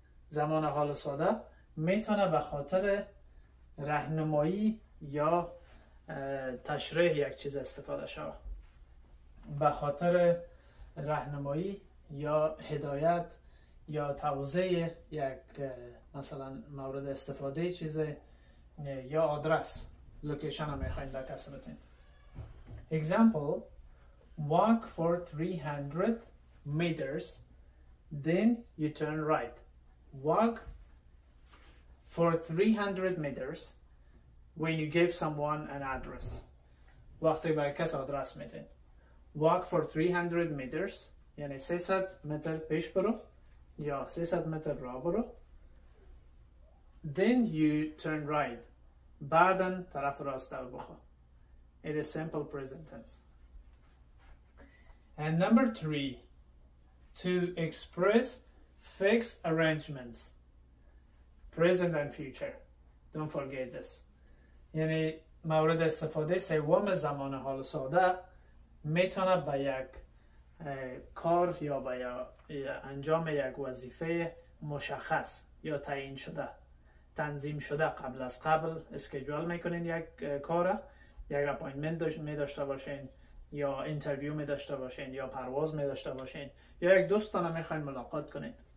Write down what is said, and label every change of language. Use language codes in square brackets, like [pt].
[fa] زمان حال ساده میتونه به خاطر راهنمایی یا تشریح یک چیز استفاده شود. به خاطر راهنمایی یا هدایت یا توضیح یک مثلا مورد استفاده چیز یا آدرس لوکیشن هم میخواییم در کسی بتین. [en] Example: walk for 300 meters then you turn right. Walk for 300 meters when you give someone an address. [fa] وقتی به کس آدرس میتین. [en] Walk for 300 meters, [fa] یعنی 300 متر پیش برو یا 300 متر راه برو. [en] Then you turn right. [fa] بعدن طرف راست دو بخوا. [en] It is simple present tense. And number 3, to express fixed arrangements, present and future. Don't forget this. [fa] یعنی مورد استفاده سوم زمان حال ساده میتونه به یک کار یا به انجام یک وظیفه مشخص یا تعیین شده تنظیم شده قبل از قبل اسکیجول میکنین یک کار، یک اپوینتمنت میداشته باشین یا انترویو میداشته باشین یا پرواز میداشته باشین یا یک دوستانه میخواین ملاقات کنین،